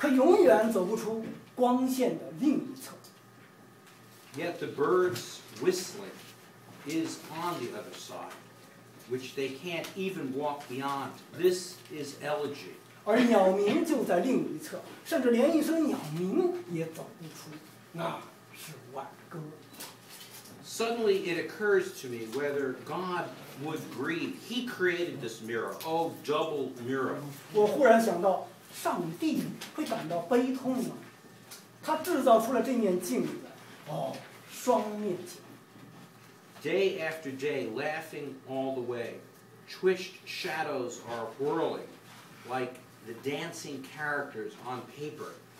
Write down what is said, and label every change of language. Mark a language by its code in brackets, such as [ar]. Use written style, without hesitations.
[zh] 作为生者,他们像石头一样静止跑过去,一天一天地纷纷落进去,可永远走不出光线的另一侧。 [en] Yet the birds whistling is on the other side, which they can't even walk beyond. This is elegy. [zh] 而鸟鸣就在另一侧,甚至连一声鸟鸣也走不出,那是挽歌。 [en] Suddenly it occurs to me whether God would grieve. He created this mirror, oh double mirror. [zh] 我忽然想到,上帝会感到悲痛吗?他制造出了这面镜子, oh, 双面镜。 [en] Day after day, laughing all the way, twitched shadows are whirling, like the dancing characters on paper.